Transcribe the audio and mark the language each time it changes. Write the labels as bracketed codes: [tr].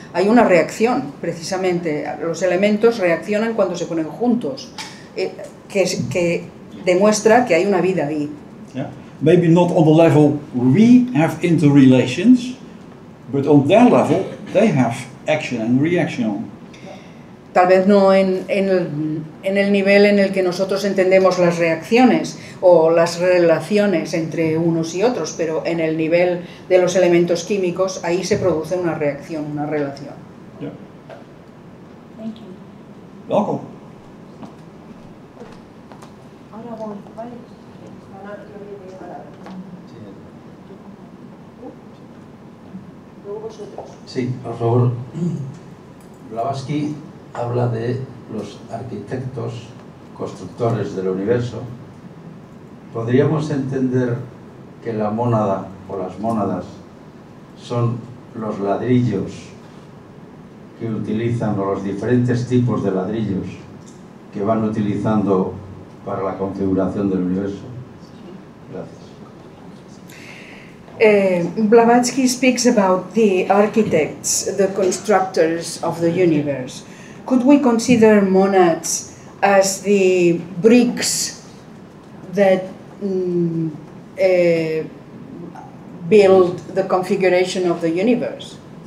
[es] Hay una reacción, precisamente. Los elementos reaccionan cuando se ponen juntos, que demuestra que hay una vida ahí. [en] Yeah. Maybe not on the level we have interrelations, but on their level they have action and reaction. [es] Tal vez no en el nivel en el que nosotros entendemos las reacciones o las relaciones entre unos y otros, pero en el nivel de los elementos químicos, ahí se produce una reacción, una relación. [en] Yeah. Thank you. Welcome. [es] Sí, por favor. Blavatsky habla de los arquitectos constructores del universo. ¿Podríamos entender que la mónada o las mónadas son los ladrillos que utilizan o los diferentes tipos de ladrillos que van utilizando para la configuración del universo? Gracias. [en] Blavatsky speaks about the architects, the constructors of the universe. Could we consider monads as the bricks that build the configuration of the universe?